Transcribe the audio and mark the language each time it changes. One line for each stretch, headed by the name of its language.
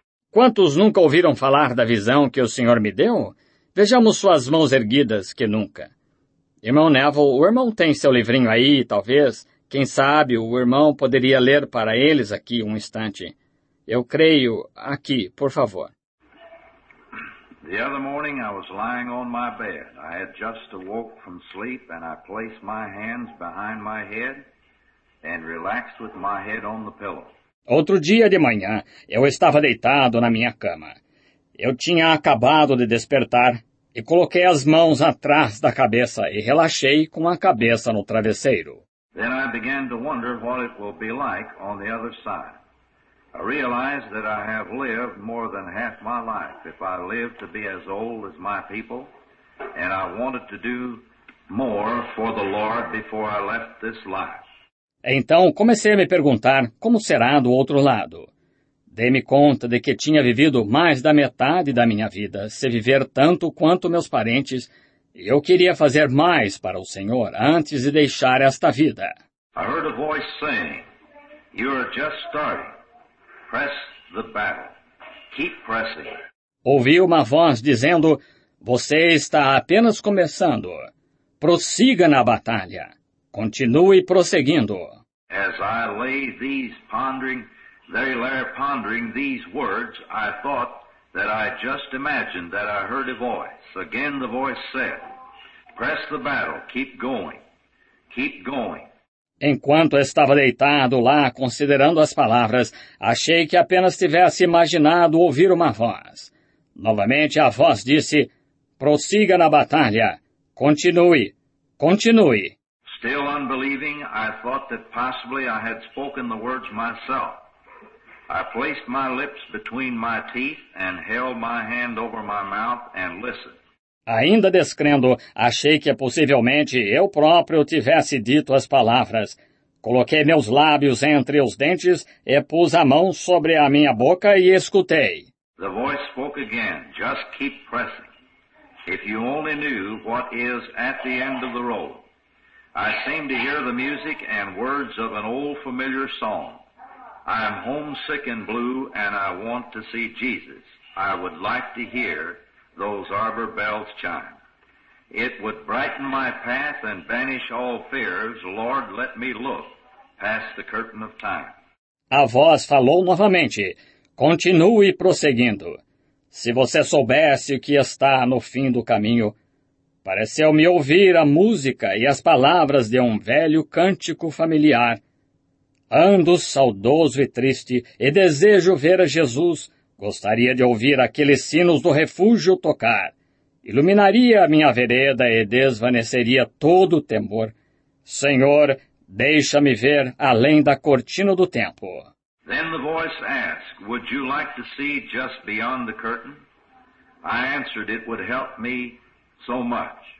Portuguese: Quantos nunca ouviram falar da visão que o Senhor me deu? Vejamos suas mãos erguidas, que nunca. Irmão Neville, o irmão tem seu livrinho aí, talvez. Quem sabe o irmão poderia ler para eles aqui um instante. Eu creio aqui, por favor.
English: The other morning I was lying on my bed. I had just awoke from sleep and I placed my hands behind my head and relaxed with my head on the pillow.
Portuguese: Outro dia de manhã, eu estava deitado na minha cama. Eu tinha acabado de despertar e coloquei as mãos atrás da cabeça e relaxei com a cabeça no travesseiro.
English: Then I began to wonder what it will be like on the other side. I realized that I have lived more than half my life. If I live to be as old as my people, and I wanted to do more for the Lord before I left this life.
Portuguese: Então, comecei a me perguntar como será do outro lado. Dei-me conta de que tinha vivido mais da metade da minha vida, se viver tanto quanto meus parentes, e eu queria fazer mais para o Senhor antes de deixar esta vida.
English: I heard a voice saying, "You are just starting. Press the battle. Keep pressing."
Portuguese: Ouvi uma voz dizendo, "Você está apenas começando. Prossiga na batalha. Continue prosseguindo."
English: As I lay these pondering, they lay pondering these words, I thought that I just imagined that I heard a voice. Again the voice said, "Press the battle, keep going, keep going."
Portuguese: Enquanto estava deitado lá, considerando as palavras, achei que apenas tivesse imaginado ouvir uma voz. Novamente a voz disse, "Prossiga na batalha, continue, continue."
English: Still unbelieving, I thought that possibly I had spoken the words myself. I placed my lips between my teeth and held my hand over my mouth and listened.
Portuguese: Ainda descrendo, achei que possivelmente eu próprio tivesse dito as palavras. Coloquei meus lábios entre os dentes e pus a mão sobre a minha boca e escutei.
English: The voice spoke again. Just keep pressing. If you only knew what is at the end of the road. I seem to hear the music and words of an old familiar song. I am homesick and blue, and I want to see Jesus. I would like to hear those arbor bells chime. It would brighten my path and banish all fears. Lord, let me look past the curtain of time.
Portuguese: A voz falou novamente. Continue prosseguindo. Se você soubesse o que está no fim do caminho... Pareceu-me ouvir a música e as palavras de um velho cântico familiar. Ando saudoso e triste e desejo ver a Jesus. Gostaria de ouvir aqueles sinos do refúgio tocar. Iluminaria a minha vereda e desvaneceria todo o temor. Senhor, Deixa-me ver além da cortina do tempo.
English: Then the voice asked, would you like to see just beyond the curtain? I answered, it would help me so much.